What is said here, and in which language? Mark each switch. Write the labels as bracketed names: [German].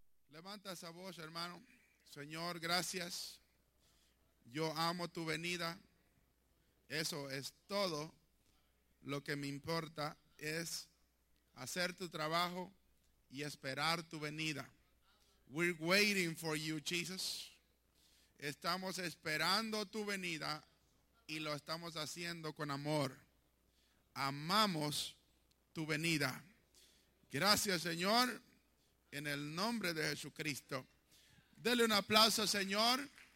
[Spanish] Levanta esa voz, hermano. Señor, gracias. Yo amo tu venida. Eso es todo lo que me importa. Es hacer tu trabajo y esperar tu venida. [English] We're waiting for you, Jesus. [Spanish] Estamos esperando tu venida y lo estamos haciendo con amor. Amamos tu venida. Gracias, Señor, en el nombre de Jesucristo. Dele un aplauso, Señor.